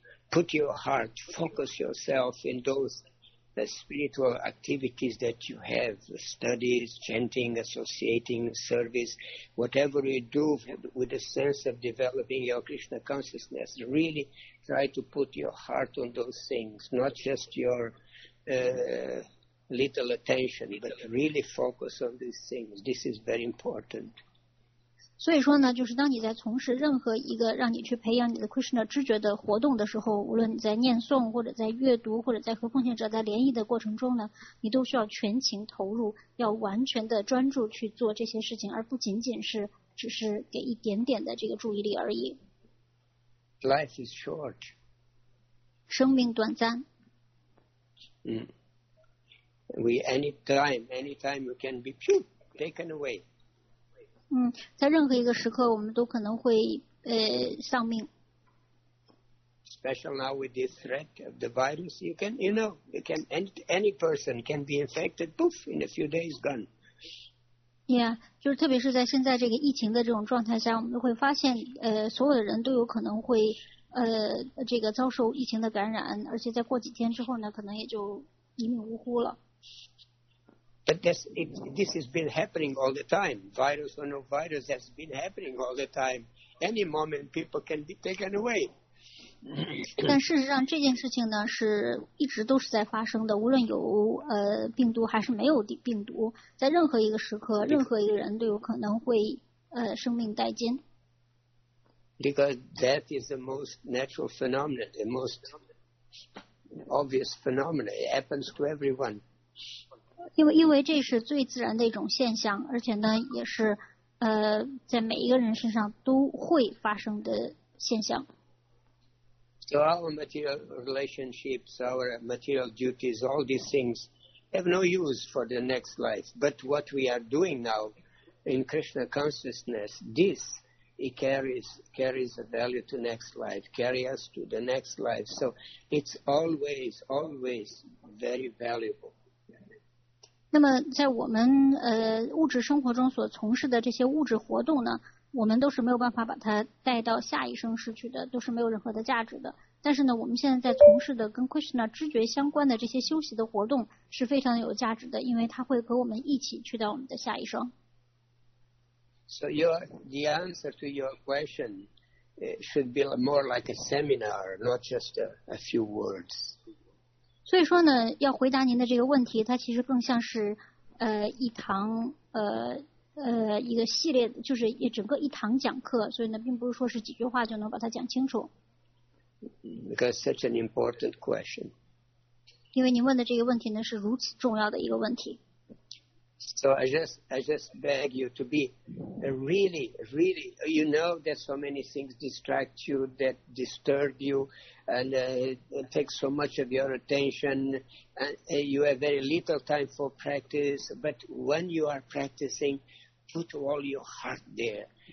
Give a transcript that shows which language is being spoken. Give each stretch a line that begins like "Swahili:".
English: Put your heart, focus yourself in those spiritual activities that you have, studies, chanting, associating, service, whatever you do with a sense of developing your Krishna consciousness, really try to put your heart on those things, not just your little attention, but really focus on these things. This is very important.
Chinese: 所以说呢，就是当你在从事任何一个让你去培养你的 Krishna 知觉的活动的时候，无论你在念诵或者在阅读或者在和奉献者在联谊的过程中呢，你都需要全情投入，要完全的专注去做这些事情，而不仅仅是只是给一点点的这个注意力而已。
English: Life is short.
Chinese: 生命短暂。
English: We anytime you can be taken away.
Chinese: 在任何一个时刻我们都可能会丧命。
English: Especially now with this threat of the virus, any person can be infected, poof, in a few days gone.
Chinese: Yeah, 就是特别是在现在这个疫情的这种状态下，我们会发现所有的人都有可能会这个遭受疫情的感染，而且在过几天之后呢，可能也就一命呜呼了。
English: But this has been happening all the time. Virus or no virus has been happening all the time. Any moment people can be taken away.
Chinese: 但事实上这件事情呢是一直都是在发生的，无论有病毒还是没有病毒，在任何一个时刻任何一个人都有可能会生命殆尽。
English: Because death is the most natural phenomenon, the most obvious phenomenon. It happens to everyone.
Chinese: 因为这是最自然的一种现象，而且呢也是在每一个人身上都会发生的现象。
English: So our material relationships, our material duties, all these things have no use for the next life. But what we are doing now in Krishna consciousness, this it carries a value to next life, carry us to the next life. So it's always, always very valuable.
Chinese: 那么在我们物质生活中所从事的这些物质活动呢，我们都是没有办法把它带到下一生失去的，都是没有任何的价值的。但是呢，我们现在在从事的跟 Krishna 知觉相关的这些休息的活动是非常有价值的，因为它会和我们一起去到我们的下一生。
English: So the answer to your question should be more like a seminar, not just a few words.
Chinese: 所以说呢，要回答您的这个问题，它其实更像是一堂一个系列，就是整个一堂讲课，所以呢并不是说是几句话就能把它讲清楚。
English: Because such an important question.
Chinese: 因为您问的这个问题呢是如此重要的一个问题。
English: So I just beg you to be really, really, you know that so many things distract you, that disturb you, and take so much of your attention, and you have very little time for practice, but when you are practicing, put all your heart there.